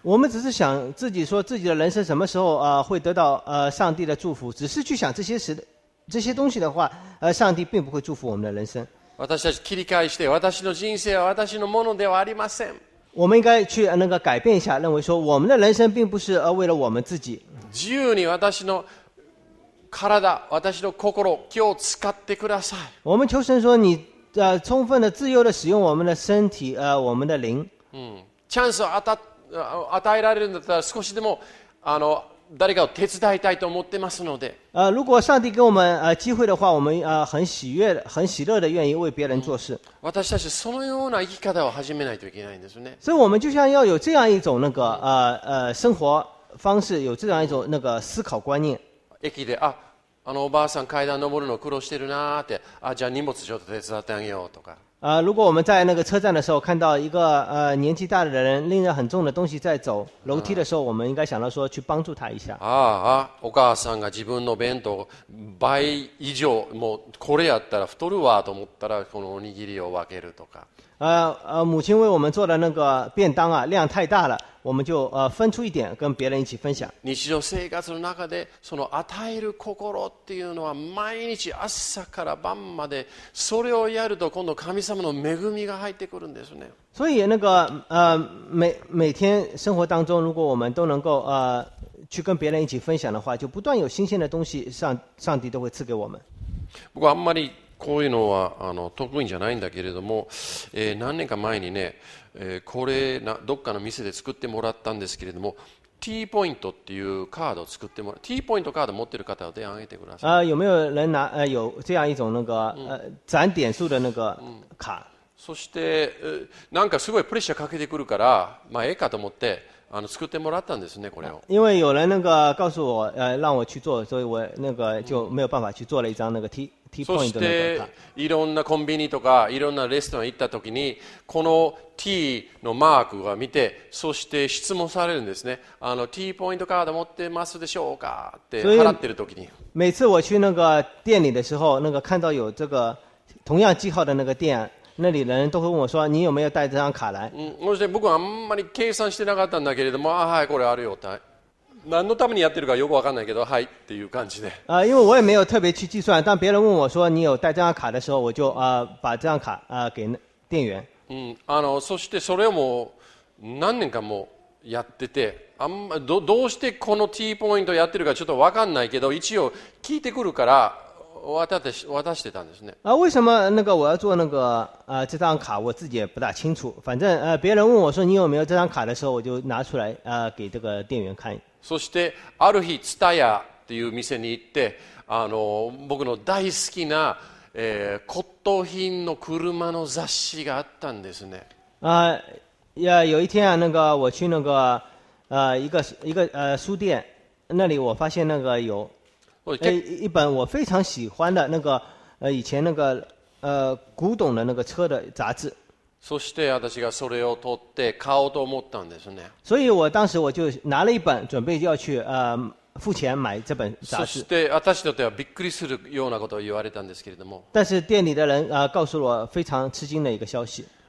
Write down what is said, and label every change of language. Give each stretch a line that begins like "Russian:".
Chinese: 我们只是想自己说自己的人生什么时候会得到上帝的祝福，只是去想这些东西的话，上帝并不会祝福我们的人生。
Japanese: 私たち切り替えして、私の人生は私のものではありません。
Chinese: 我们应该去那个改变一下，认为说我们的人生并不是为了我们自己。
Japanese: 自由に私の体、私の心、今日使ってください。
Chinese: 我们求神说你充分的、自由的使用我们的身体、我们的灵。
Japanese: チャンスを与えられるんだったら少しでも誰かを手伝いたいと思ってますので。
Chinese: 如果上帝给我们机会的话，我们很喜乐的愿意为别人做事。
Japanese: 私たちそのような生き方を始めないといけないんですね。
Chinese: 所以我们就像要有这样一种那个生活方式，有这样一种那个思考观念。
Japanese: 駅で、あのおばあさん階段登るの苦労してるなって、じゃあ荷物ちょっと手伝ってあげようとか。
Chinese: 如果我们在那个车站的时候看到一个年纪大的人拎着很重的东西在走楼梯的时候，我们应该想到说去帮助他一下。
Japanese: お母さんが自分の弁当倍以上もうこれやったら太るわと思ったらこのおにぎりを分けるとか。
Chinese: 母亲为我们做的那个便当啊量太大了，我们就分出一点跟别人一起分享。
Japanese: 日常生活の中でその与える心っていうのは毎日朝から晩までそれをやると今度神様の恵みが入ってくるんですね。
Chinese: 所以那个每天生活当中，如果我们都能够去跟别人一起分享的话，就不断有新鲜的东西上帝都会赐给我们。不过
Japanese: あんまりこういうのは得意じゃないんだけれども、何年か前にね、これなどっかの店で作ってもらったんですけれども、T ポイントっていうカードを作ってもらう、T ポイントカード持ってる方は手を挙げてください。
Chinese: 有没有人拿有这样一种那个攒点数的那个卡？
Japanese: そしてなんかすごいプレッシャーかけてくるから、まあええかと思って。作ってもらったんですね、これを。
Chinese: 因为有人那个告诉我，让我去做，所以我那个就没有办法去做了一张那个 T point 的那个卡。
Japanese: そして、いろんなコンビニとかいろんなレストラン行った時に、この T のマークを見て、そして質問されるんですね。 T ポイントカード持ってますでしょうかって払ってる時に。
Chinese: 每次我去那个店里的时候，那个看到有这个同样记号的那个店。那里人都会问我说：“你有没有带这张卡来？”
Japanese: そして僕はあんまり計算してなかったんだけれども、はい、これあるよ。何のためにやってるかよくわかんないけど、はいっていう感じで。
Chinese: 因为我也没有特别去计算，当别人问我说你有带这张卡的时候，我就把这张卡给店员。
Japanese: そしてそれをもう何年かもやってて、あんまどうしてこの T ポイントやってるかちょっとわかんないけど、一応聞いてくるから。渡してたんですね。
Chinese: 为什么那个我要做那个这张卡，我自己也不大清楚。反正别人问我说你有没有这张卡的时候，我就拿出来给这个店员看。
Japanese: そしてある日ツタヤっていう店に行って、僕の大好きな、骨董品の車の雑誌があったんですね。
Chinese: 有一天啊，那个我去那个一个书店，那里我发现那个有。一本我非常喜欢的那个以前那个古董的那个车的杂志。
Japanese: そして私がそれを取って買おうと思ったんですね。
Chinese: 所以我当时我就拿了一本准备要去付钱买这本杂志。
Japanese: そして私にとってはびっくりするようなことを言われたんですけれども。
Chinese: 但是店里的人告诉了我非常吃惊的一个消息。